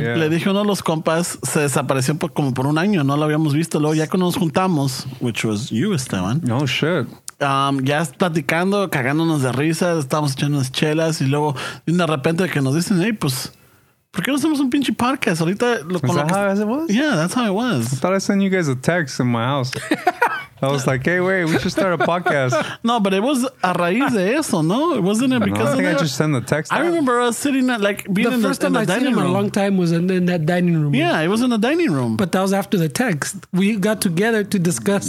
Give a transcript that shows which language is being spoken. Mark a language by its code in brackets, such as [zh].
[es] Yeah. Le dije uno de los compas, se desapareció como por un año, ¿no? Lo habíamos visto. Luego ya que nos juntamos, [en] which was you, [es] Esteban. [en] Oh, shit. [es] Ya platicando, cagándonos de risa, estábamos echando unas chelas y luego y de repente que nos dicen, hey, pues... ¿Por qué no hacemos un pinche podcast ahorita? [en] Yeah, that's how it was. I thought I sent you guys a text in my house. I was like, hey, wait, we should start a podcast. No, but it was [es] a raíz de eso, no? [en] Wasn't it because I think I just sent the text. I remember us sitting at, like, being in the dining room. The first time I seen him in a long time was in that dining room. Yeah, it was in the dining room. But that was after the text. We got together to discuss.